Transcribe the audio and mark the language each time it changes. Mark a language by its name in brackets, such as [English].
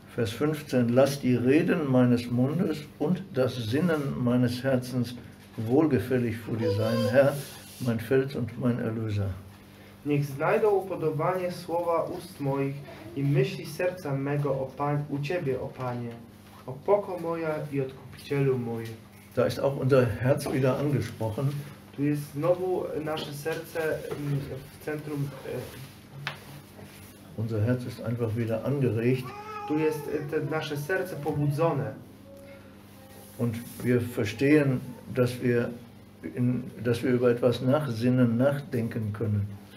[German] Vers 15. Lass die Reden meines Mundes und das Sinnen meines Herzens wohlgefällig vor dir sein, Herr, mein Fels und mein Erlöser. [Polish] Niech znajdą upodobanie słowa ust moich i myśli serca mego o Pan, u Ciebie, o Panie, opoko moja i odkupicielu mój. [German] Da ist auch unser Herz wieder angesprochen. [Polish] Tu jest znowu nasze serce w centrum. [German] Unser Herz ist einfach wieder angeregt. [Polish] Tu jest te nasze serce pobudzone. [German] Und wir verstehen, dass wir, dass wir über etwas nachsinnen, nachdenken können.